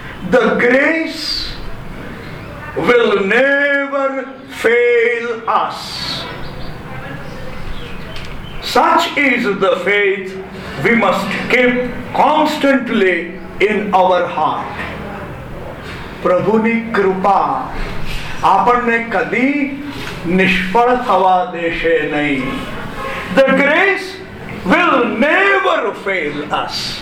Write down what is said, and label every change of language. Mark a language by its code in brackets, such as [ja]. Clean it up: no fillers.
[en] The grace will never fail us. Such is the faith we must keep constantly in our heart. [gu] પ્રભુની કૃપા આપણને કદી નિષ્ફળ થવા દેશે નહીં. [en] The grace will never fail us.